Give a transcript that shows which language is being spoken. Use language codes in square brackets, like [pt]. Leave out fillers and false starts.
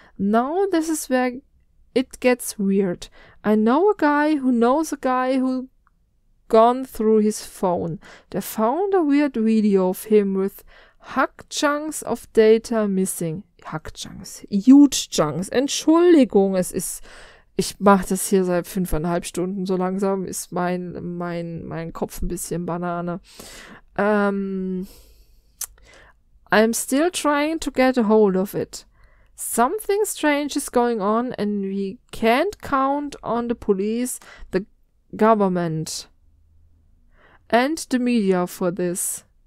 [en] Now this is where it gets weird. I know a guy who knows a guy who gone through his phone. They found a weird video of him with huck chunks of data missing. Huck chunks. Huge chunks. [de] Entschuldigung, es ist... Ich mache das hier seit 5,5 Stunden so langsam. Ist mein Kopf ein bisschen Banane. [en] I'm still trying to get a hold of it. Something strange is going on and we can't count on the police, the government and the media for this.